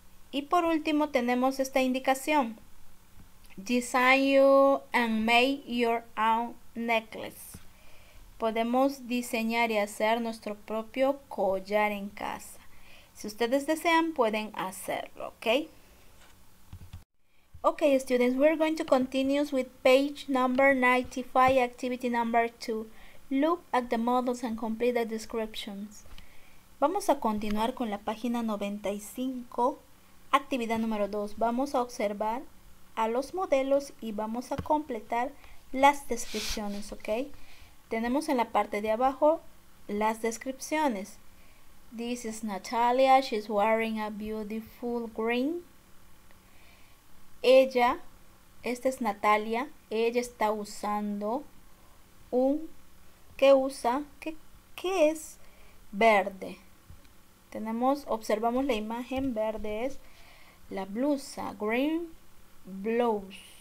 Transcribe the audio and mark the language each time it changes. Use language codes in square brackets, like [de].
[es] Y por último, tenemos esta indicación. [en] Design you and make your own necklace. [es] Podemos diseñar y hacer nuestro propio collar en casa. Si ustedes desean, pueden hacerlo, ¿ok? [en] Ok, students, we're going to continue with page number 95, activity number 2. Look at the models and complete the descriptions. [es] Vamos a continuar con la página 95, actividad número 2. Vamos a observar a los modelos y vamos a completar las descripciones, ¿ok? Tenemos en la parte de abajo las descripciones. [en] This is Natalia, she's wearing a beautiful green. [es] Ella, esta es Natalia, ella está usando un, ¿qué usa? ¿Qué es verde? Observamos la imagen, verde es la blusa, [en] green blouse.